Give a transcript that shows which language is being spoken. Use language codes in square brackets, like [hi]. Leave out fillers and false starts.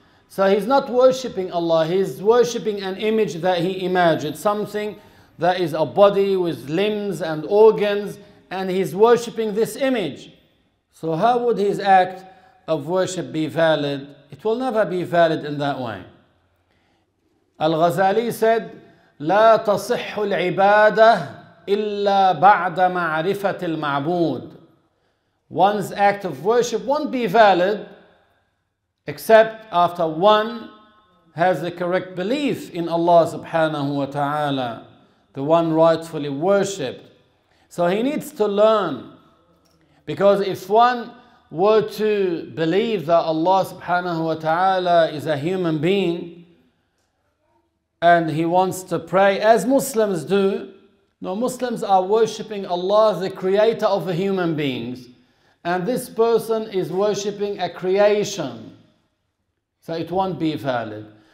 [en] So he's not worshipping Allah, he's worshipping an image that he imagined, something that is a body with limbs and organs, and he's worshipping this image. So how would his act of worship be valid? It will never be valid in that way. Al-Ghazali said, [ar] لا تصح العبادة إلا بعد معرفة المعبود. [en] One's act of worship won't be valid except after one has the correct belief in Allah subhanahu wa ta'ala, the one rightfully worshipped. So he needs to learn, because if one were to believe that Allah subhanahu wa ta'ala is a human being and he wants to pray as Muslims do, no, Muslims are worshipping Allah, the creator of human beings, and this person is worshipping a creation, so it won't be valid.